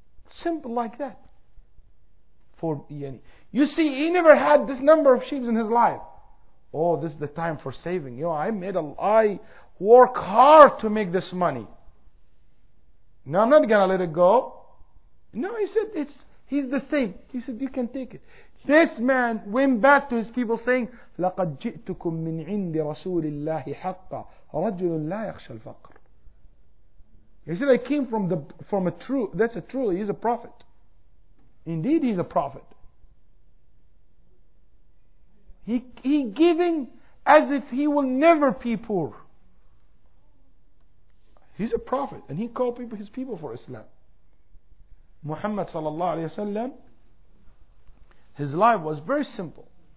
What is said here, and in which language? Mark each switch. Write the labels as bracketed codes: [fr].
[en] Simple like that. For yani. You see, he never had this number of sheep in his life. Oh, this is the time for saving. You know, I work hard to make this money. No, I'm not going to let it go. No, he said, he's the same. He said, you can take it. This man went back to his people saying, [ar] لَقَدْ جِئْتُكُمْ مِنْ عِنْدِ رَسُولِ اللَّهِ حَقَّ رَجُلٌ لَا يَخْشَى الْفَقْرِ. [en] He said, I came from a true, that's a truly, he's a prophet. Indeed, he's a prophet. He giving as if he will never be poor. He's a prophet, and he called people, his people, for Islam. Muhammad sallallahu alayhi wa sallam, his life was very simple.